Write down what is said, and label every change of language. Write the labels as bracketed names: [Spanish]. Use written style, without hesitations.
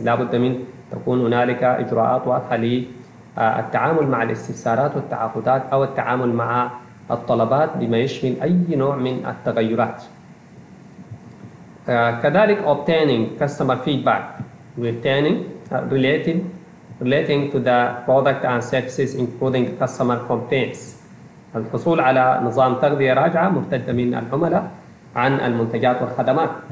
[Arabic] لابد من تكون هنالك اجراءات واضحة للتعامل مع الاستفسارات والتعاقدات او التعامل مع الطلبات بما يشمل اي نوع من التغيرات. كذلك [English] obtaining customer feedback relating to the product and services including customer complaints. [Arabic] الحصول على نظام تغذية راجعة مرتدة من العملاء عن المنتجات والخدمات.